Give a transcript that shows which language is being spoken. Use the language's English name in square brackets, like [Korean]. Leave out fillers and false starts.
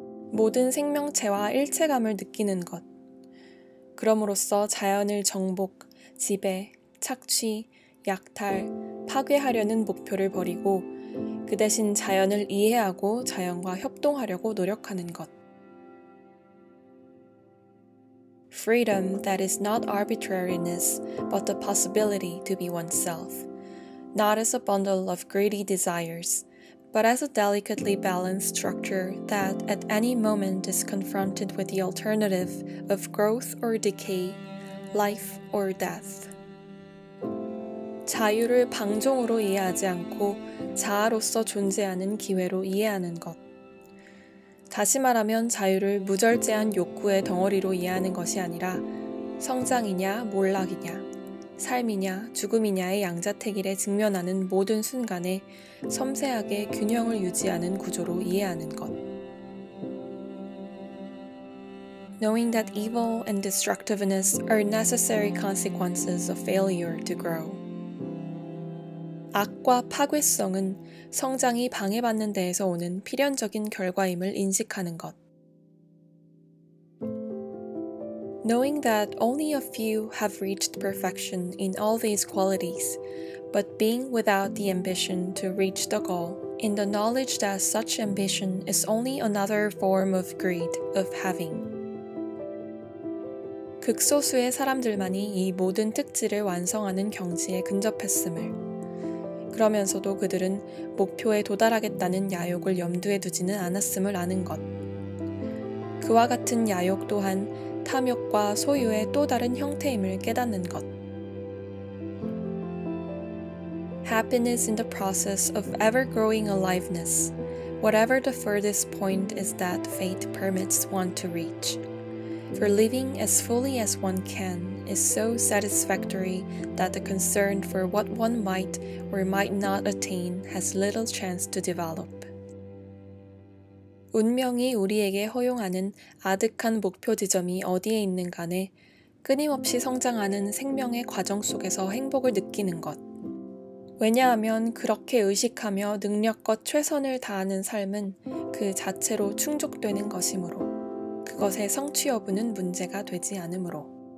[Korean] 모든 생명체와 일체감을 느끼는 것. 그러므로써 자연을 정복, 지배, 착취, 약탈, 파괴하려는 목표를 버리고 그 대신 자연을 이해하고 자연과 협동하려고 노력하는 것. [English] Freedom that is not arbitrariness, but the possibility to be oneself. Not as a bundle of greedy desires, but as a delicately balanced structure that at any moment is confronted with the alternative of growth or decay, life or death. [Korean] 자유를 방종으로 이해하지 않고 자아로서 존재하는 기회로 이해하는 것. 다시 말하면 자유를 무절제한 욕구의 덩어리로 이해하는 것이 아니라 성장이냐 몰락이냐. 삶이냐 죽음이냐의 양자택일에 직면하는 모든 순간에 섬세하게 균형을 유지하는 구조로 이해하는 것. [English] Knowing that evil and destructiveness are necessary consequences of failure to grow. [Korean] 악과 파괴성은 성장이 방해받는 데에서 오는 필연적인 결과임을 인식하는 것. [English] Knowing that only a few have reached perfection in all these qualities, but being without the ambition to reach the goal, in the knowledge that such ambition is only another form of greed, of having. [Korean] 극소수의 사람들만이 이 모든 특질을 완성하는 경지에 근접했음을. 그러면서도 그들은 목표에 도달하겠다는 야욕을 염두에 두지는 않았음을 아는 것. 그와 같은 야욕 또한 탐욕과 소유의 또 다른 형태임을 깨닫는 것. [English] Happiness in the process of ever-growing aliveness, whatever the furthest point is that fate permits one to reach. For living as fully as one can is so satisfactory that the concern for what one might or might not attain has little chance to develop. [Korean] 운명이 우리에게 허용하는 아득한 목표 지점이 어디에 있는 간에 끊임없이 성장하는 생명의 과정 속에서 행복을 느끼는 것. 왜냐하면 그렇게 의식하며 능력껏 최선을 다하는 삶은 그 자체로 충족되는 것이므로 그것의 성취 여부는 문제가 되지 않으므로.